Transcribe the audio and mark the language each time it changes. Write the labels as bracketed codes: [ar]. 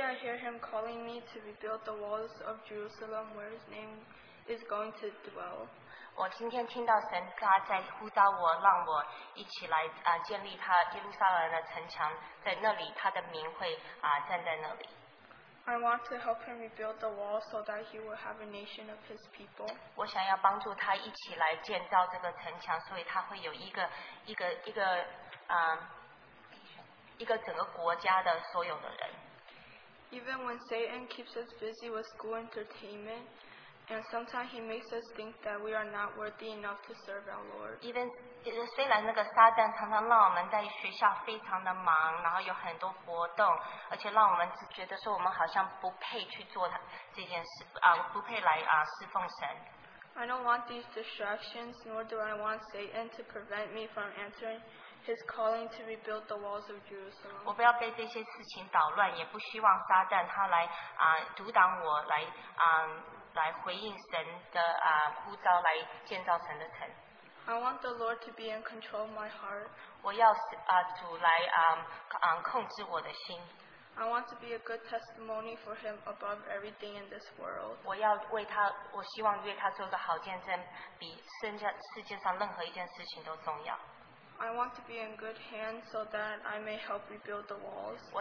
[en] I hear Him calling me to rebuild the walls of Jerusalem where His name is going to dwell. [zh] 我今天听到神他在呼召我，让我一起来建立他耶路撒冷的城墙，在那里他的名会站在那里。 [en] I want to help Him rebuild the wall so that He will have a nation of His people. [zh] 我想要帮助他一起来建造这个城墙，所以他会有一个整个国家的所有的人。 [en] Even when Satan keeps us busy with school entertainment, and sometimes He makes us think that we are not worthy enough to serve our Lord. Even [zh] 虽然那个撒旦常常让我们在学校非常的忙，然后有很多活动，而且让我们觉得说我们好像不配去做这件事，不配来侍奉神。 [en] I don't want these distractions, nor do I want Satan to prevent me from answering his calling to rebuild the walls of Jerusalem. [zh] 我不要被这些事情捣乱，也不希望撒旦他来阻挡我来回应神的呼召来建造神的城。 [en] I want the Lord to be in control of my heart. [zh] 我要主来控制我的心。 [en] I want to be a good testimony for him above everything in this world. [zh] 我希望为他做个好见证，比世界上任何一件事情都重要。 [en] I want to be in good hands so that I may help rebuild the walls.